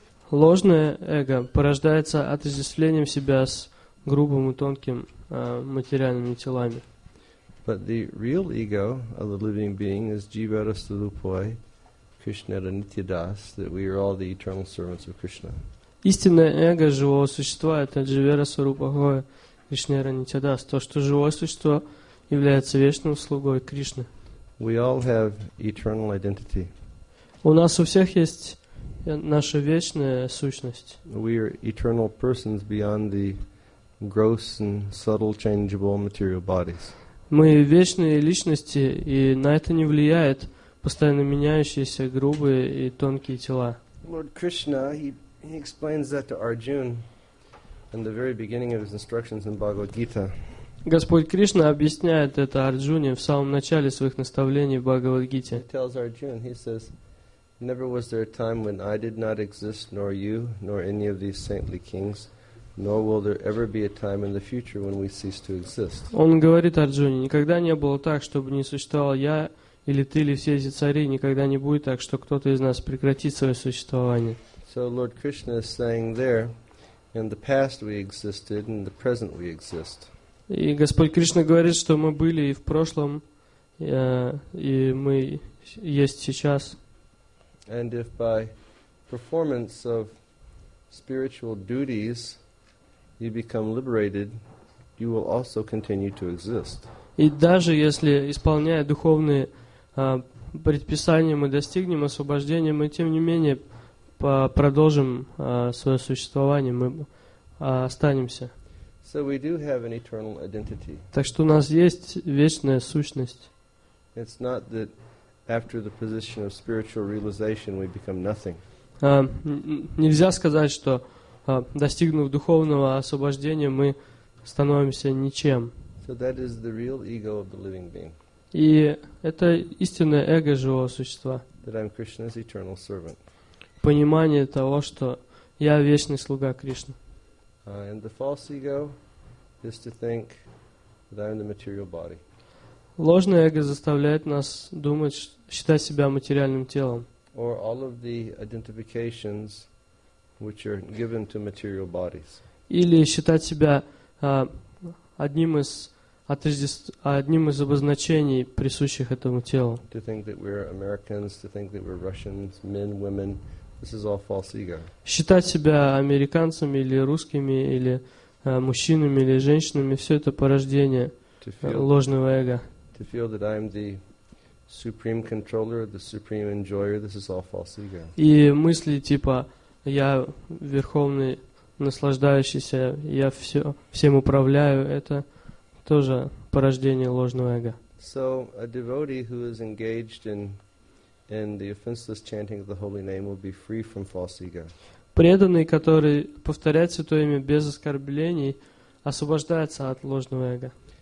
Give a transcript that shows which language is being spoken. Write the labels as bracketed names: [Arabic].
[Russian] Ложное эго порождается от изъяснения себя с грубым и тонким материальными телами. [English] But the real ego of the living being is Jiva Rasarupoi, Krishna Nityadas, that we are all the eternal servants of Krishna. [Russian] Истинное эго живого существа это Jiva Rasarupoi, Krishna Nityadas, то, что живое существо является вечным слугой Кришны. [English] We all have eternal identity. [Russian] У нас у всех есть наша вечная сущность. [English] We are eternal persons beyond the gross and subtle changeable material bodies. [Russian] Мы вечные личности, и на это не влияет постоянно меняющиеся грубые и тонкие тела. [English] Lord Krishna, he explains that to Arjuna in the very beginning of his instructions in Bhagavad Gita. [Russian] Господь Кришна объясняет это Арджуне в самом начале своих наставлений в Бхагавад-гите. [English] He tells Arjuna, he says, never was there a time when I did not exist, nor you, nor any of these saintly kings, nor will there ever be a time in the future when we cease to exist. [Russian] Он говорит Арджуне, никогда не было так, чтобы не существовал я, или ты, или все эти цари, никогда не будет так, что кто-то из нас прекратит свое существование. [English] So Lord Krishna is saying there, in the past we existed, in the present we exist. [Russian] И Господь Кришна говорит, что мы были и в прошлом, и мы есть сейчас. [English] And if by performance of spiritual duties you become liberated, you will also continue to exist. [Russian] И даже если, исполняя духовные предписания, мы достигнем освобождения, мы тем не менее продолжим свое существование, мы останемся. [English] So we do have an eternal identity. [Russian] Так что у нас есть вечная сущность. [English] It's not that after the position of spiritual realization we become nothing. [Russian] Нельзя сказать, что достигнув духовного освобождения, мы становимся ничем. [English] So that is the real ego of the living being. [Russian] И это истинное эго живого существа. [English] That I'm Krishna's eternal servant. [Russian] Понимание того, что я вечный слуга Кришны. [English] And the false ego is to think that I'm the material body. [Russian] Ложное эго заставляет нас думать, считать себя материальным телом. [English] Or all of the identifications which are given to material bodies. [Russian] Или считать себя одним из обозначений, присущих этому телу. [English] To think that we're Americans, to think that we're Russians, men, women. This is all false ego. [Russian] Считать себя американцами или русскими или мужчинами или женщинами — все это порождение ложного эго. [English] To feel that I'm the supreme controller, the supreme enjoyer. This is all false ego. [Russian] И мысли типа я верховный наслаждающийся, я всем управляю — это тоже порождение ложного эго. [English] So a devotee who is engaged in the offenseless chanting of the holy name will be free from false ego. [Russian] Преданный, который повторяет святое имя без оскорблений, освобождается от ложного эго.